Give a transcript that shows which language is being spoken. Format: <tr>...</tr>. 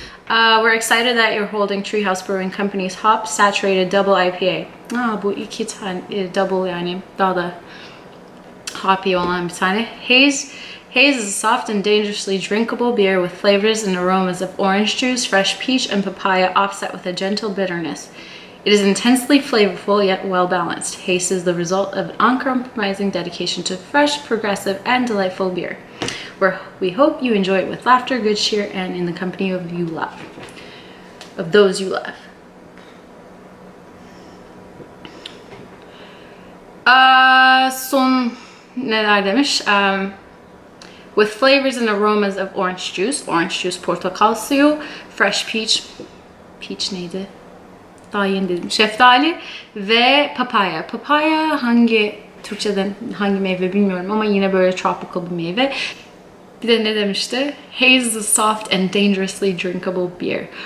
<en>We're excited that you're holding Treehouse Brewing Company's Hop Saturated Double IPA.</en> <tr>Aa, bu iki tane, double yani daha da hoppy olan bir tane.</tr> <en>Haze is a soft and dangerously drinkable beer with flavors and aromas of orange juice, fresh peach, and papaya offset with a gentle bitterness. It is intensely flavorful yet well-balanced. Haze is the result of an uncompromising dedication to fresh, progressive, and delightful beer. We hope you enjoy it with laughter, good cheer, and in the company of you love. Of those you love.</en> <tr>Son neler demiş?</tr> <en>With flavors and aromas of orange juice,</en> <tr>portakal suyu,</tr> <en>fresh peach, peach</en> <tr>neydi? Daha yeni dedim. Şeftali ve papaya. Papaya hangi Türkçeden hangi meyve bilmiyorum ama yine böyle tropical bir meyve. Bir de ne demişti?</tr> <en>Haze is a soft and dangerously drinkable beer.</en>